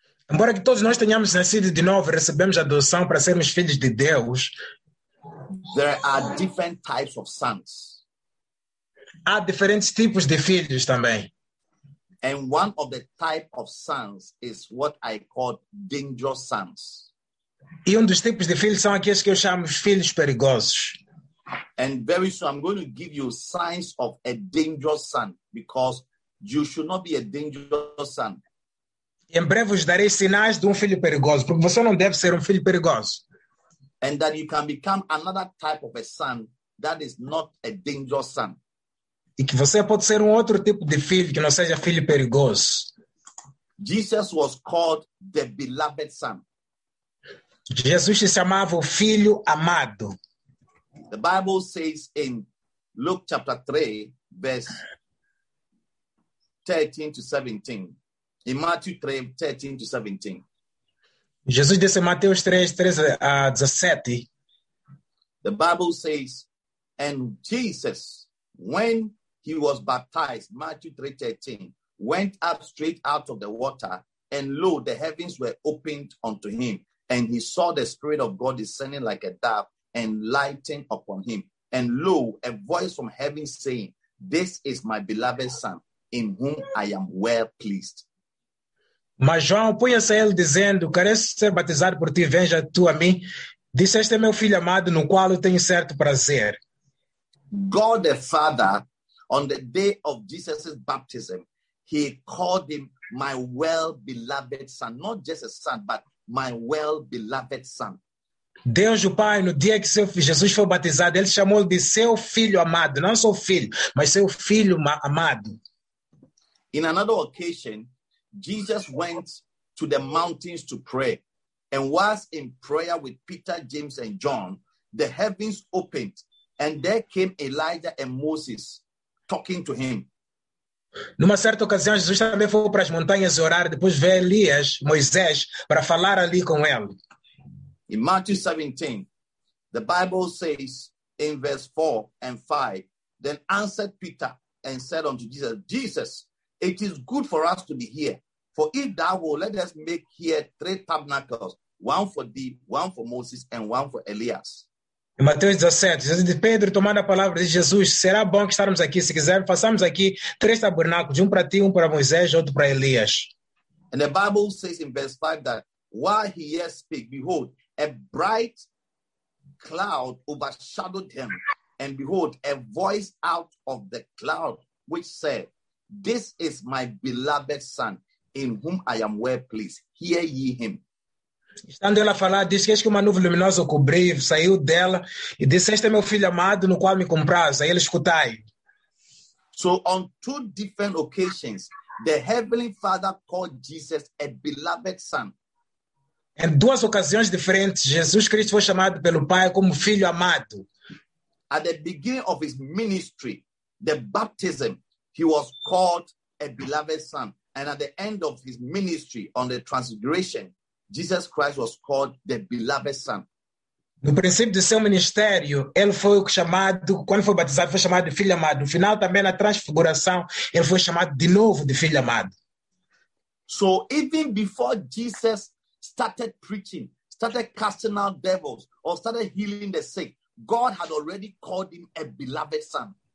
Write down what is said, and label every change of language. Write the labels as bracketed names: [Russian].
[Portuguese] Embora que todos nós tenhamos nascido de novo, recebemos a adoção para sermos filhos de Deus. [English] There are different types of sons. [Portuguese] Há diferentes tipos de filhos também. [English] And one of the type of sons is what I call dangerous sons. [Portuguese] E dos tipos de filhos são aqueles que eu chamo filhos perigosos. [English] And very soon I'm going to give you signs of a dangerous son, because you should not be a dangerous son. [Portuguese] E em breve vos darei sinais de filho perigoso, porque você não deve ser filho perigoso. [English] And that you can become another type of a son that is not a dangerous son. [Portuguese] E que você pode ser outro tipo de filho que não seja filho perigoso. [English] Jesus was called the beloved son. [Portuguese] Jesus se chamava o filho amado. [English] The Bible says in Luke chapter 3, verse 13 to 17. In Matthew 3, 13 to 17. [Portuguese] Jesus disse em Mateus 3, 13 a 17. [English] The Bible says, and Jesus, when he was baptized, Matthew 3, 13, went up straight out of the water, and lo, the heavens were opened unto him, and he saw the Spirit of God descending like a dove and lighting upon him. And lo, a voice from heaven saying, this is my beloved son, in whom I am well pleased. [Portuguese] Mas João punha-se a ele dizendo, queres ser batizado por ti, venha tu a mim. Disse, este é meu filho amado, no qual eu tenho certo prazer. [English] God the Father, on the day of Jesus' baptism, he called him my well-beloved son. Not just a son, but my well-beloved son. [Portuguese] Deus o Pai, no dia que seu filho, Jesus foi batizado, ele chamou-lhe de seu filho amado. Não seu filho, mas seu filho amado. [English] In another occasion, Jesus went to the mountains to pray, and was in prayer with Peter, James, and John. The heavens opened, and there came Elijah and Moses talking to him. [Portuguese] Numa certa ocasião, Jesus também foi para as montanhas orar, depois veio Elias, Moisés, para falar ali com ele. [English] In Matthew 17, the Bible says in verse 4 and 5, then answered Peter and said unto Jesus, Jesus, it is good for us to be here. For if thou wilt, let us make here three tabernacles, one for thee, one for Moses, and one for Elias. [Portuguese] Em Mateus 17, Pedro tomando a palavra de Jesus, será bom que estarmos aqui, se quiser, façamos aqui três tabernáculos, um para ti, um para Moisés, outro para Elias. [English] And the Bible says in verse 5 that, while he yet speak, behold, a bright cloud overshadowed him, and behold, a voice out of the cloud, which said, this is my beloved son, in whom I am well pleased. Hear ye him. [Portuguese] Estando ela a falar, disse que uma nuvem luminosa cobriu, saiu dela, e disse, este é meu filho amado, no qual me compraz, aí ele escutai. [English] So on two different occasions, the heavenly father called Jesus a beloved son. [Portuguese] Em duas ocasiões diferentes, Jesus Cristo foi chamado pelo Pai como filho amado. [English] At the beginning of his ministry, the baptism, he was called a beloved son. And at the end of his ministry, on the transfiguration, Jesus Christ was called the beloved son. [Portuguese] No princípio do seu ministério, ele foi chamado, quando foi batizado, foi chamado de filho amado. No final, também na transfiguração, ele foi chamado de novo de filho amado. [English] So, even before Jesus started preaching, started casting out devils, or started healing the sick, God had already called him a beloved son.